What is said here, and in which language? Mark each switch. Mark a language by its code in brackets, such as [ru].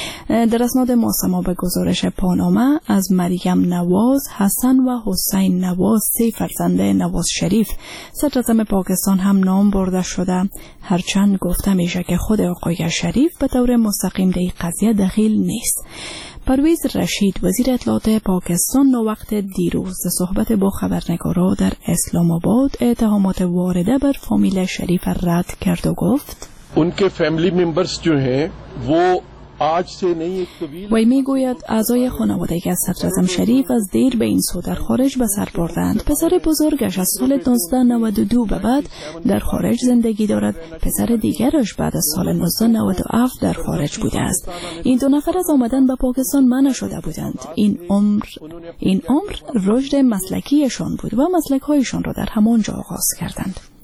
[fa] در اسناد موسما به گزارش پاناما از مریم نواز، حسن و حسین نواز، سه فرزند نواز شریف، صدر اعظم پاکستان هم نام برده شده، هرچند گفته میشه که خود آقای شریف به طور مستقیم در این قضیه دخیل نیست. پرویز رشید وزیر اطلاعات پاکستان نوقت دیروز در صحبت با خبرنگارا در اسلام آباد اتهامات وارده بر فامیل شریف رد کرد و گفت [ur] ان کے فیملی ممبرز جو ہیں وہ آج سے نہیں ایک طویل [fa] وی می گوید اعضای خانواده که صدر اعظم شریف از دیر به این سو در خارج به سر بردند. پسر بزرگش از سال 1992 به بعد در خارج زندگی دارد. پسر دیگرش بعد از سال 1997 در خارج بوده است. این دو نفر از آمدن به پاکستان منع شده بودند. این عمر رشد مسلکیشان بود و مسلک هایشان را در همانجا آغاز کردند.